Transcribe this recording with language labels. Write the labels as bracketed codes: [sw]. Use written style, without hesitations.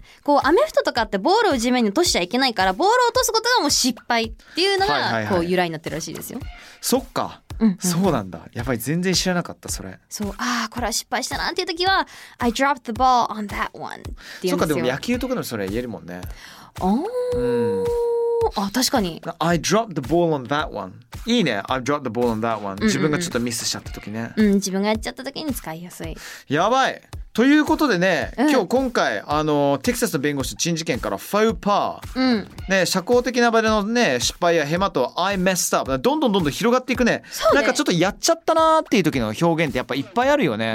[ja] こうアメフトとかってボールを地面に落としちゃいけないから、ボールを落とすことがもう失敗っていうのがこう由来になってるらしいですよ、はいはいはい、そっか、うんうん、そうなんだ、やばい全然知らなかったそれ。そう、あーこれは失敗したなっていう時は [en] I dropped the ball on that one [ja] って言うんですよ。そっか、でも野球とかでもそれ言えるもんね。おー、うん、あ確かに [en] I dropped the ball on that one、 [ja] いいね、 [en] I dropped the ball on that one、 [ja] うんうん、自分がちょっとミスしちゃった時ね、うん、自分がやっちゃった時に使いやすい。やばい。ということでね、うん、今回あのテキサスの弁護士陳事件からファウパー、うん、ね、社交的な場での、ね、失敗やヘマと [en] I messed up、 [ja] どんどんどんどん広がっていく ね、なんかちょっとやっちゃったなっていう時の表現ってやっぱいっぱいあるよね。